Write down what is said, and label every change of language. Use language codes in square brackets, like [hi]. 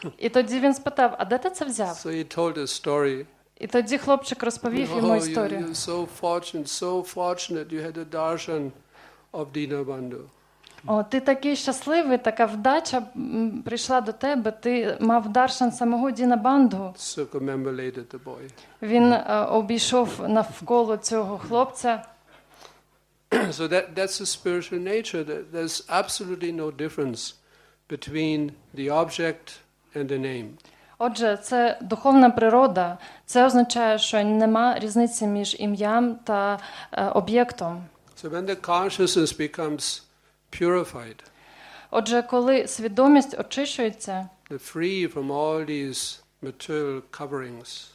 [uk] І тоді він спитав: "А де ти це взяв?" [en] So he told a story. [uk] І тоді хлопчик розповів йому історію. [en] You're so fortunate, you had a darshan of Dinabandhu. [uk] О, ти такий щасливий, така вдача прийшла до тебе. Ти мав даршан самого Дінабандгу. [en] Circumambulated the boy. [uk] Він обійшов навколо цього хлопця. [en] So that's the spiritual nature. There's absolutely no difference between the object and the name. [uk] Отже, це духовна природа. Це означає, що нема різниці між ім'ям та об'єктом. [en] So when the consciousness becomes purified. [uk] Отже, коли свідомість очищується, [en] the free from all these material coverings.